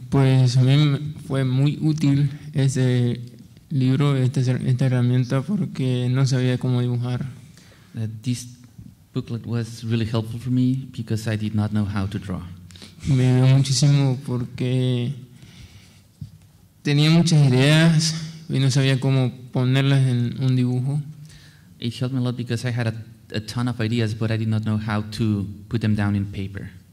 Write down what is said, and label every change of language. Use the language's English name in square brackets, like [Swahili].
[Spanish] Pues a mí fue muy útil ese libro, esta herramienta, porque no sabía cómo dibujar. [English] This booklet was really helpful for me because I did not know how to draw. [Spanish] Me ayudó muchísimo porque tenía muchas ideas y no sabía cómo ponerlas en un dibujo. [English] It helped me a lot because I had a ton of ideas, but I did not know how to put them down in paper.